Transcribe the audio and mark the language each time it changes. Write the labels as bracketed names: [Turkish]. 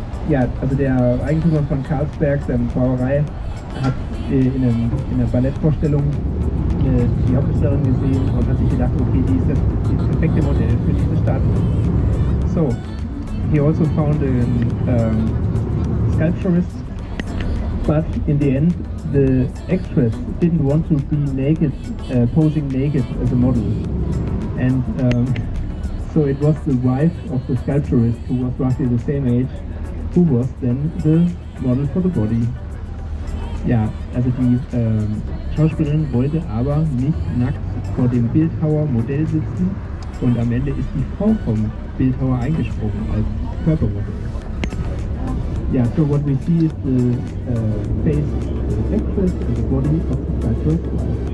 [German] Ja, also der Eigentümer von Carlsberg, der Brauerei, hat in einer Ballettvorstellung die Hauptdarstellerin gesehen und hat sich gedacht, okay, die ist das perfekte Modell für diese Stadt. [English] So, he also found a sculpturist, but in the end the actress didn't want to be naked, posing naked as a model. And so it was the wife of the sculpturist, who was roughly the same age, who was then the model for the body. [German] Ja, also die Schauspielerin wollte aber nicht nackt vor dem Bildhauer Modell sitzen und am Ende ist die Frau vom Bildhauer eingesprochen als Körpermodel. [English] Ja, so what we see is the face of the actress and the body of the sculptor.